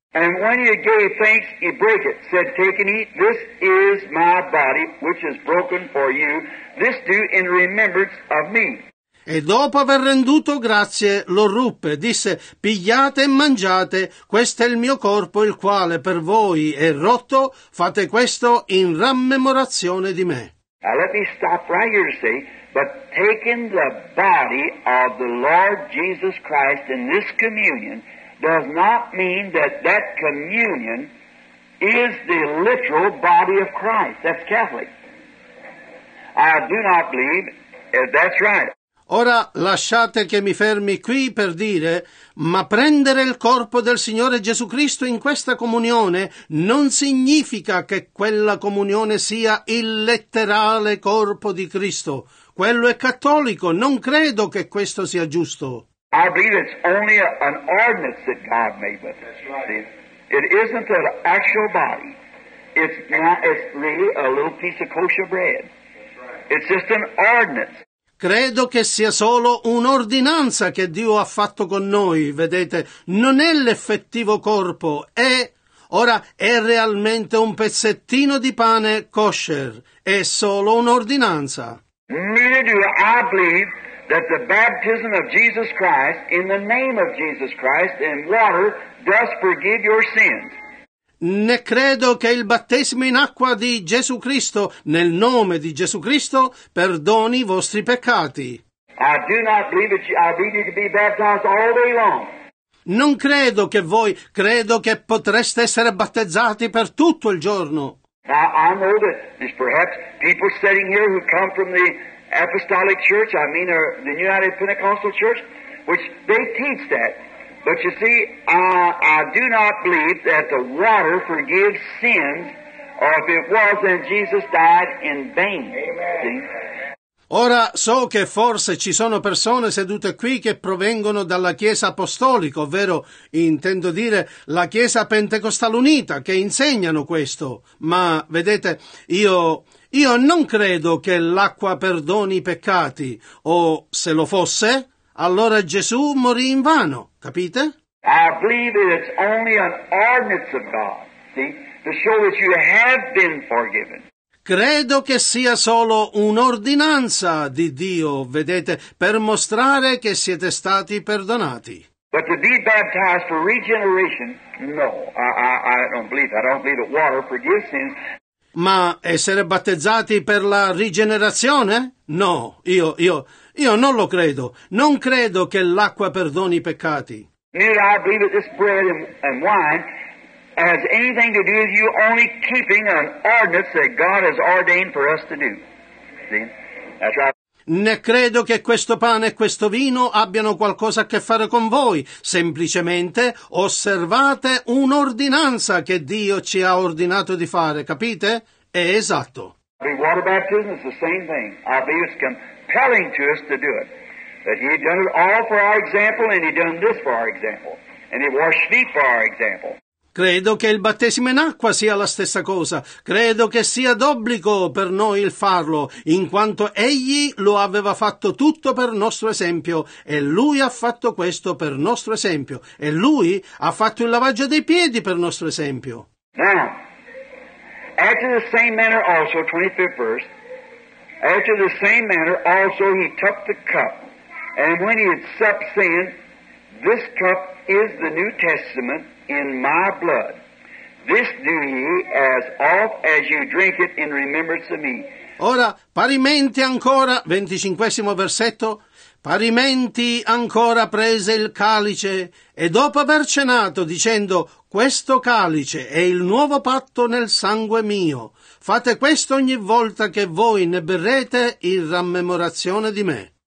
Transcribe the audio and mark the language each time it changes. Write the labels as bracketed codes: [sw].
[en] And when he gave thanks, he broke it, said, take and eat, this is my body, which is broken for you, this do in remembrance of me. [it] E dopo aver renduto grazie, lo ruppe, disse, pigliate e mangiate, questo è il mio corpo, il quale per voi è rotto, fate questo in rammemorazione di me. [en] Now let me stop right here to say, but taking the body of the Lord Jesus Christ in this communion does not mean that that communion is the literal body of Christ. That's Catholic. I do not believe that's right. [it] Ora lasciate che mi fermi qui per dire, ma prendere il corpo del Signore Gesù Cristo in questa comunione non significa che quella comunione sia il letterale corpo di Cristo. Quello è cattolico, non credo che questo sia giusto. [en] I believe it's only an ordinance that God made with it. It isn't an actual body. It's really a little piece of kosher bread. It's just an ordinance. [it] Credo che sia solo un'ordinanza che Dio ha fatto con noi, vedete, non è l'effettivo corpo, è realmente un pezzettino di pane kosher, è solo un'ordinanza. [en] Neither do I believe that the baptism of Jesus Christ in the name of Jesus Christ in water does forgive your sins. [it] Né credo che il battesimo in acqua di Gesù Cristo, nel nome di Gesù Cristo, perdoni i vostri peccati. [en] I do not believe that you need to be baptized all day long. [it] Non credo che voi, credo che potreste essere battezzati per tutto il giorno. [en] Now, I know that there's perhaps people sitting here who come from the Apostolic Church, I mean the United Pentecostal Church, which they teach that. But you see, I do not believe that the water forgives sins, or if it was, then Jesus died in vain. Amen. See? [it] Ora so che forse ci sono persone sedute qui che provengono dalla Chiesa Apostolica, ovvero intendo dire la Chiesa Pentecostale Unita, che insegnano questo. Ma vedete, io non credo che l'acqua perdoni i peccati, o se lo fosse, allora Gesù morì in vano, capite? [en] I believe it's only an ordinance of God, see, to show that you have been forgiven. [it] Credo che sia solo un'ordinanza di Dio, vedete, per mostrare che siete stati perdonati. [en] But to be baptized for regeneration, no, I don't believe that. I don't believe that water forgives sins. [it] Ma essere battezzati per la rigenerazione? No, io non lo credo. Non credo che l'acqua perdoni i peccati. [en] Neither I believe that this bread and wine has anything to do with you only keeping an ordinance that God has ordained for us to do. See? That's right. [it] Né credo che questo pane e questo vino abbiano qualcosa a che fare con voi. Semplicemente osservate un'ordinanza che Dio ci ha ordinato di fare, capite? È esatto. [en] The water baptism is the same thing. I believe it's compelling to us to do it. That he had done it all for our example, and he had done this for our example. And he washed feet for our example. [it] Credo che il battesimo in acqua sia la stessa cosa. Credo che sia d'obbligo per noi il farlo, in quanto egli lo aveva fatto tutto per nostro esempio, e lui ha fatto questo per nostro esempio, e lui ha fatto il lavaggio dei piedi per nostro esempio. [en] Now, after the same manner also, 25th verse, after the same manner also he took the cup, and when he had supped, saying, this cup is the New Testament, in my blood. This do ye as oft as you drink it in remembrance of me. [it] Ora, parimenti ancora, 25° versetto, parimenti ancora prese il calice, e dopo aver cenato, dicendo, questo calice è il nuovo patto nel sangue mio. Fate questo ogni volta che voi ne berrete in rammemorazione di me.